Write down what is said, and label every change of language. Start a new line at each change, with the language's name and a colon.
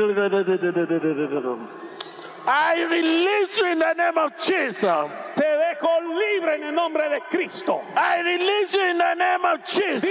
English: I release you in the name of Jesus.
Spanish: Te dejo libre en el nombre de Cristo.
English: I release you in the name of Jesus.